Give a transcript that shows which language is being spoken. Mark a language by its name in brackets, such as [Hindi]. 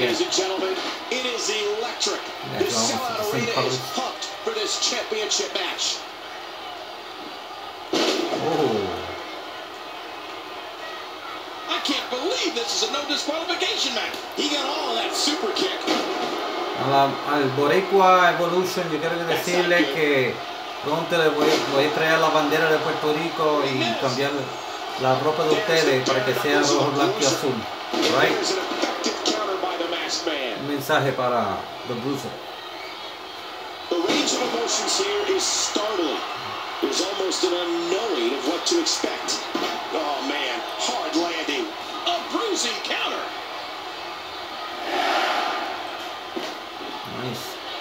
[English] Ladies and gentlemen, it is electric. The sellout arena is pumped for this championship match. Oh. I can't believe this is a no disqualification match. He got all of that super kick. [Spanish] Al Boricua Evolution, yo quiero decirle que pronto le voy a traer la bandera de Puerto Rico y cambiar la ropa de ustedes para que sea rojo, blanco y azul. Right? Un mensaje para The Bruiser. [English] The range of emotions here is startling. There's almost an unknowing of what to expect. Oh man, hard landing. A bruising counter. Nice.